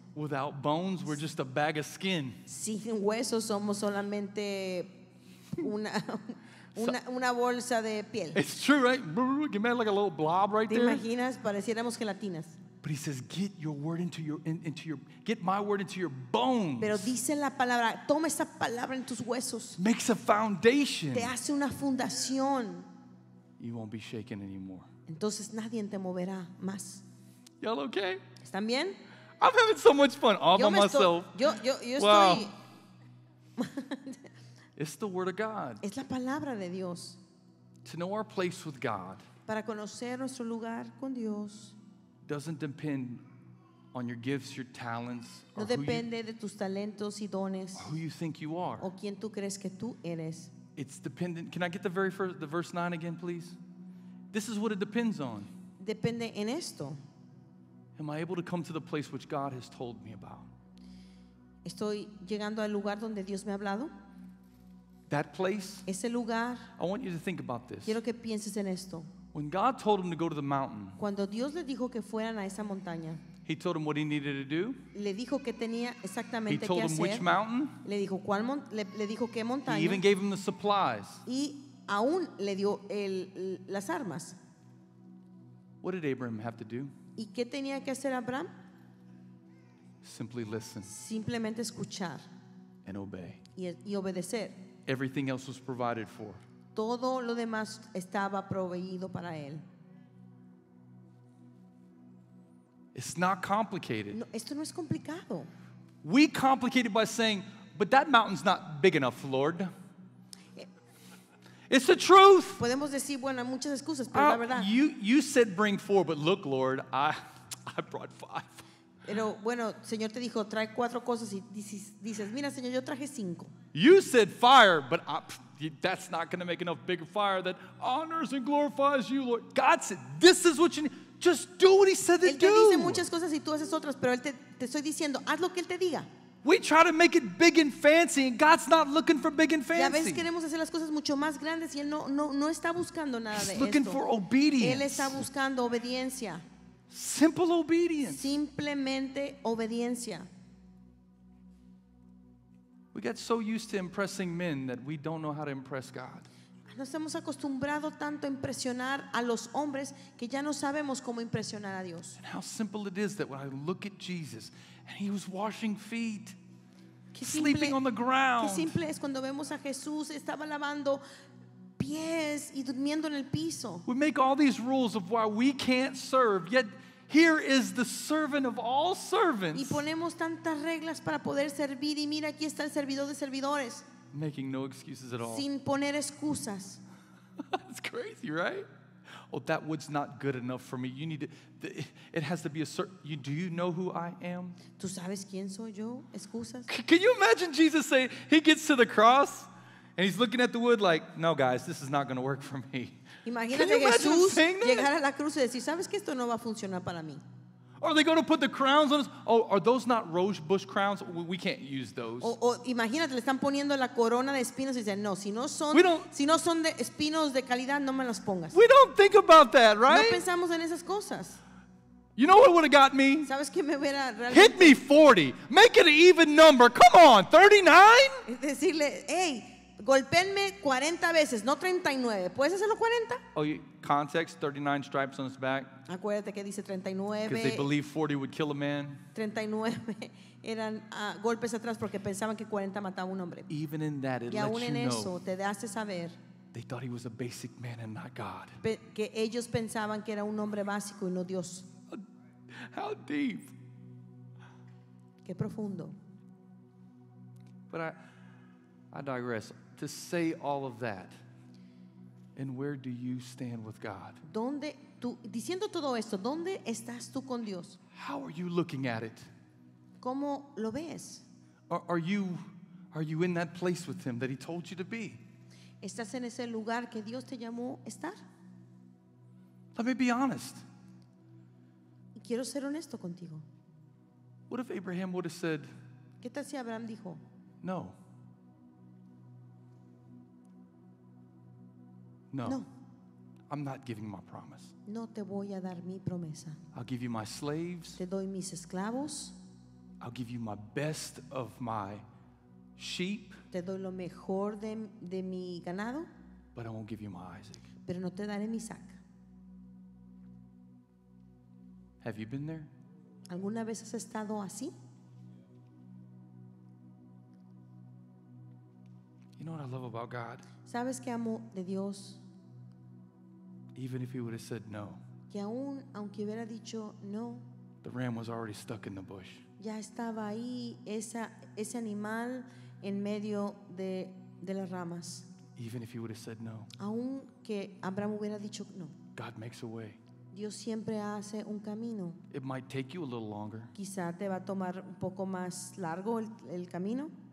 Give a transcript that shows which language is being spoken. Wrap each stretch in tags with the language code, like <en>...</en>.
<en>Without bones, we're just a bag of skin.</en> <es>Sin huesos, somos solamente una. Una bolsa de piel.</es> <en>It's true, right? Can imagine like a little blob right there.</en> <es>¿Te imaginas? Pareciéramos gelatinas.</es> <en>But he says, get your word into your get my word into your bones.</en> <es>Pero dice la palabra, toma esa palabra en tus huesos.</es> <en>Makes a foundation.</en> <es>Te hace una fundación.</es> <en>You won't be shaken anymore.</en> <es>Entonces nadie te moverá más.</es> <en>Y'all okay?</en> <es>¿Están bien?</es> <en>I'm having so much fun all by myself.</en> <es>Yo wow. Estoy.</es> <en>It's the word of God.</en> <es>Es la palabra de Dios.</es> <en>To know our place with God.</en> <es>Para conocer nuestro lugar con Dios.</es> <en>Doesn't depend on your gifts, your talents,</en> <es>no</es> <en>or</en> <es>depende de tus talentos y dones.</es> <en>Or who you think you are.</en> <es>O quien tú crees que tú eres.</es> <en>It's dependent. Can I get the very first, the verse 9 again, please? This is what it depends on.</en> <es>Depende en esto.</es> <en>Am I able to come to the place which God has told me about?</en> <es>Estoy llegando al lugar donde Dios me ha hablado.</es> <en>That place.</en> <es>Ese lugar,</es> <en>I want you to think about this.</en> <es>Quiero que pienses en esto.</es> <en>When God told him to go to the mountain,</en> <es>cuando Dios le dijo que fueran a esa montaña,</es> <en>he told him what he needed to do.</en> <es>Le dijo que tenía exactamente</es> <en>he told</en> <es>que</es> <en>him</en> <es>hacer.</es> <en>Which mountain.</en> <es>Le dijo cuál le dijo qué montaña.</es> <en>He even gave him the supplies.</en> <es>Y aún le dio las armas.</es> <en>What did Abraham have to do?</en> <es>¿Y qué tenía que hacer Abraham?</es> <en>Simply listen.</en> <es>Simplemente escuchar.</es> <en>And obey.</en> <es>Y obedecer.</es> <en>Everything else was provided for.</en> <es>Todo lo demás estaba proveído para él.</es> <en>It's not complicated.</en> <es>No, esto no es complicado.</es> <en>We complicate it by saying, but that mountain's not big enough, Lord. It's the truth.</en> <es>Podemos decir, bueno, muchas excusas, pero la verdad.</es> <en>You said bring four, but look, Lord, I brought five.</en> <es>Pero bueno, Señor te dijo, trae cuatro cosas y dices, mira, Señor, yo traje cinco.</es> <en>You said fire, but that's not going to make enough bigger fire that honors and glorifies you, Lord. God said, this is what you need. Just do what he said to do.</en> <es>Él te dice muchas cosas y tú haces otras, pero él te estoy diciendo, haz lo que él te diga.</es> <en>We try to make it big and fancy, and God's not looking for big and fancy.</en> <es>Y a veces queremos hacer las cosas mucho más grandes y él no está buscando nada de esto.</es> <en>He's looking for obedience.</en> <es>Él está buscando obediencia.</es> <en>Simple obedience.</en> <es>Simplemente obediencia.</es> <en>We get so used to impressing men that we don't know how to impress God.</en> <es>Nos hemos acostumbrado tanto a impresionar a los hombres que ya no sabemos cómo impresionar a Dios.</es> <en>And how simple it is that when I look at Jesus and he was washing feet, simple, sleeping on the ground.</en> <es>Qué simple es cuando vemos a Jesús estaba lavando pies y durmiendo en el piso.</es> <en>We make all these rules of why we can't serve, yet here is the servant of all servants.</en> <es>Y ponemos tantas reglas para poder servir y mira aquí está el servidor de servidores.</es> <en>Making no excuses at all.</en> <es>Sin poner excusas.</es> <en>That's crazy, right? Oh, that wood's not good enough for me. You need to. It has to be a certain. Do you know who I am?</en> <es>¿Tú sabes quién soy yo? Excusas.</es> <en>Can you imagine Jesus say he gets to the cross? And he's looking at the wood like, no, guys, this is not going to work for me.</en> <es>Imagínate Jesús llegar a la cruz y decir, ¿sabes que esto no va a funcionar para mí?</es> <en>Are they going to put the crowns on us? Oh, are those not rose bush crowns? We can't use those.</en> <es>Imagínate, le están poniendo la corona de espinos y dicen, no, si no son de espinos de calidad, no me los pongas.</es> <en>We don't think about that, right?</en> <es>No pensamos en esas cosas.</es> <en>You know what would have got me?</en> <es>¿Sabes qué me hubiera realmente?</es> <en>Hit me 40. Make it an even number. Come on, 39?</en> <es>Es decirle, hey, golpéenme 40 veces, no 39. ¿Puedes hacerlo 40?</es> <en>Oh, context, 39 stripes on his back.</en> <es>Acuérdate que dice 39.</es> <en>Because they believe 40 would kill a man.</en> <es>39 eran golpes atrás porque pensaban que 40 mataba un hombre.</es> <en>Even in that, it</en> <es>y aún</es> <en>lets</en> <es>en</es> <en>you</en> <es>eso,</es> <en>know.</en> <es>Te hace saber.</es> <en>They thought he was a basic man and not God.</en> <es>Que ellos pensaban que era un hombre básico y no Dios.</es> <en>How deep.</en> <es>Qué profundo.</es> <en>But I digress. To say all of that, and where do you stand with God?</en> <es>¿Dónde tú diciendo todo esto, dónde estás tú con Dios?</es> <en>How are you looking at it?</en> <es>¿Cómo lo ves?</es> <en>Are you in that place with him that he told you to be?</en> <es>¿Estás en ese lugar que Dios te llamó estar?</es> <en>Let me be honest.</en> <es>Quiero ser honesto contigo.</es> <en>What if Abraham would have said?</en> <es>¿Qué tal si Abraham dijo?</es> <en>No.</en> <es>No.</es> <en>No. I'm not giving my promise.</en> <es>No te voy a dar mi promesa.</es> <en>I'll give you my slaves.</en> <es>Te doy mis esclavos.</es> <en>I'll give you my best of my sheep.</en> <es>Te doy lo mejor de mi ganado.</es> <en>But I won't give you my Isaac.</en> <es>Pero no te daré mi Isaac.</es> <en>Have you been there?</en> <es>¿Alguna vez has estado así?</es> <en>You know what I love about God?</en> <es>¿Sabes qué amo de Dios?</es> <en>Even if he would have said no.</en> <es>Que aún aunque hubiera dicho no.</es> <en>The ram was already stuck in the bush.</en> <es>Ya estaba ahí ese animal en medio de las ramas.</es> <en>Even if he would have said no.</en> <es>Aunque Abraham hubiera dicho no.</es> <en>God makes a way.</en> <es>Dios siempre hace un camino.</es> <en>It might take you a little longer.</en> <es>Quizá te va a tomar un poco más largo el camino.</es>